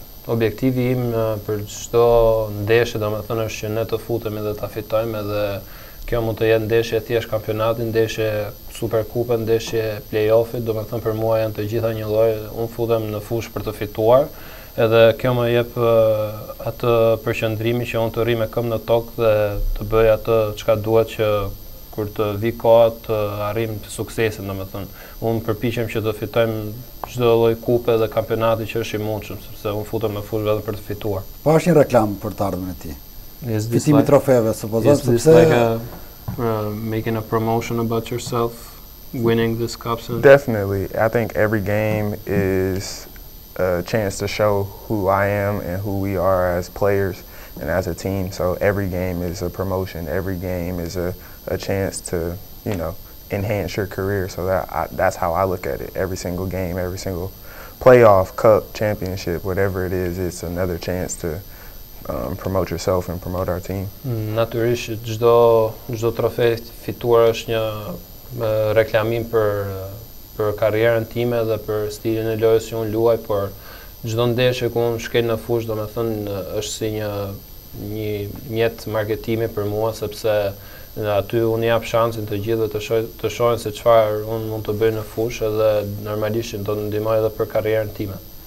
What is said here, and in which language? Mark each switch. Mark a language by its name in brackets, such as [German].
[Albanian] Objektivi im për çdo ndeshje, domethënë, është që ne të futemi dhe ta fitojmë, edhe kjo mund të jetë ndeshje thjesht kampionati, ndeshje superkupe, ndeshje play-offi, domethënë për mua janë të gjitha një lloj, unë futem në fush për të fituar, edhe kjo më jep atë përqendrimin që unë të rri me këmbë në tokë dhe të bëj atë çka duhet që kur të vi koha të arrijmë suksesin, domethënë. Unë përpiqem që të fitojmë çdo lloj kupe dhe kampionati që është i mundshëm, sepse unë futem në fush vetëm për të fituar. Po është një reklam për të ardhmen e tij. [English] Yes, [Albanian] fitimi [English] like, [Albanian] trofeve, supozon, sepse [English] like making a promotion about yourself winning this cup. Definitely. I think every game is a chance to show who I am and who we are as players and as a team. So every game is a promotion, every game is a chance to, you know, enhance your career. So that's how I look at it. Every single game, every single playoff, cup, championship, whatever it is, it's another chance to promote yourself and promote our team. [Albanian] Natyrisht çdo trofe fituar është një reklamim për karrierën time dhe për stilin e lojës që unë luaj, por çdo ndeshje ku unë shkel në fush, domethënë, është si një mjet marketingi për mua, sepse në aty unë jap shansin të gjithëve të shohin se çfarë unë mund të bëj në fush, edhe normalisht do të ndihmoj edhe për karrierën time.